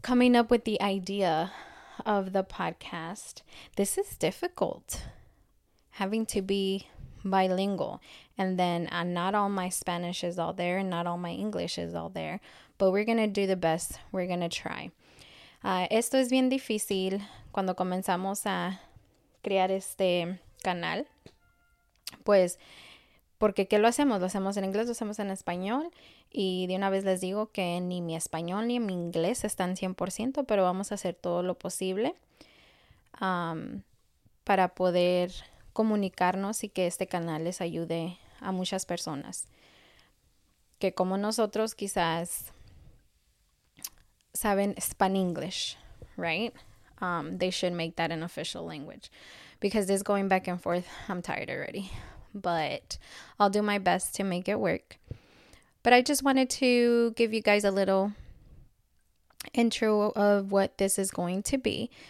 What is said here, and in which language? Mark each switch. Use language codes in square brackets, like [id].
[en] Coming up with the idea of the podcast. This is difficult. Having to be bilingual, and then not all my Spanish is all there, and not all my English is all there, but we're going to do the best, we're going to try. [es] Esto es bien difícil cuando comenzamos a crear este canal, pues, porque ¿qué lo hacemos? Lo hacemos en inglés, lo hacemos en español, y de una vez les digo que ni mi español ni mi inglés están 100%, pero vamos a hacer todo lo posible para poder comunicarnos y que este canal les ayude a muchas personas que como nosotros quizás saben [en] Spanish, right? They should make that an official language because this going back and forth, I'm tired already, but I'll do my best to make it work. But I just wanted to give you guys a little intro of what this is going to be.